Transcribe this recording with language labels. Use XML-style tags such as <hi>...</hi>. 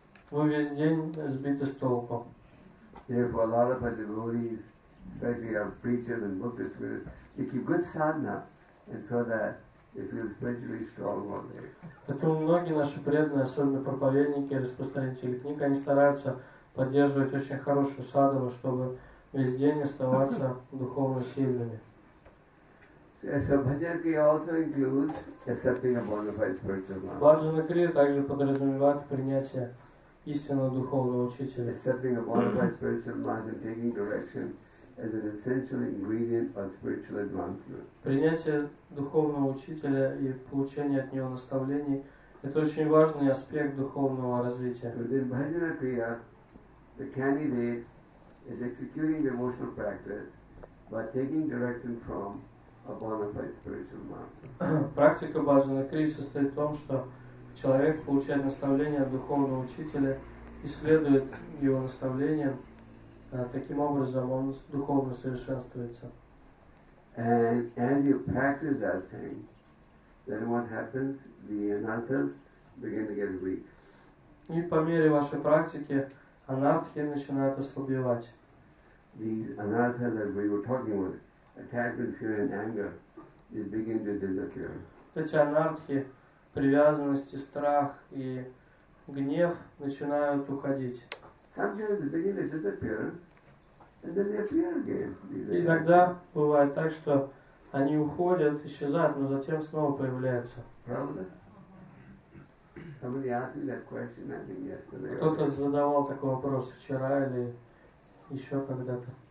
<ru>Вы весь день сбиты с толку.</ru> <en>Therefore, a lot of devotees, especially our preachers and book disciples, they keep good sadhana, and so that they feel spiritually strong all day.</en> <ru>Поэтому многие наши преданные, особенно проповедники, распространители книг, они стараются поддерживать очень хорошую садхану, чтобы весь день оставаться духовно сильными.</ru> <en>So Bhajana Kriya also includes accepting a bona fide spiritual master.</en> <ru>Bhajana Kriya также подразумевает принятие истинного духовного учителя.</ru> <en>Accepting a bona fide spiritual master, taking direction as an essential ingredient for spiritual advancement.</en> <ru>Принятие духовного учителя и получение от него наставлений – это очень важный аспект духовного развития.</ru> <en>Within Bhajana Kriya, the candidate is executing the emotional practice by taking direction from a bona fide spiritual master.</en> <ru>Практика Bhajana Kriya состоит в том, что человек получает наставление от духовного учителя и следует его наставлениям. Таким образом он духовно совершенствуется.</ru> <en>And as you practice that thing, then what happens? The anarthas begin to get weak.</en> <ru>И по мере вашей практики анартхи начинают ослабевать.</ru> <en>These anarthas that we were talking about, attachment, fear and anger, they begin to disappear.</en> <ru>Эти анартхи, привязанности, страх и гнев начинают уходить.</ru> <en>Sometimes they begin to disappear,</en> <ru>И тогда бывает так, что они уходят, исчезают, но затем снова появляются. Кто-то задавал такой вопрос вчера или еще когда-то.</ru>